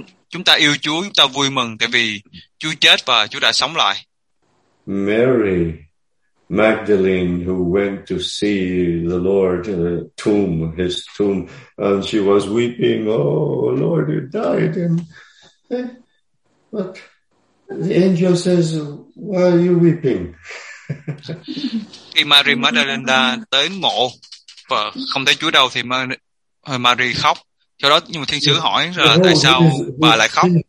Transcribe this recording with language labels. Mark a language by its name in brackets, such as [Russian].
[Vietnamese] Chúng ta yêu Chúa, chúng ta vui mừng tại vì Chúa chết và Chúa đã sống lại. [English] Mary Magdalene, who went to see the Lord, his tomb, and she was weeping, "Oh Lord, you died." But the angel says, "Why are you weeping?" [Vietnamese] Khi Mary Magdalena tới mộ và không thấy Chúa đâu thì Mary khóc. Sau đó nhưng mà thiên sứ hỏi là tại sao bà lại khóc.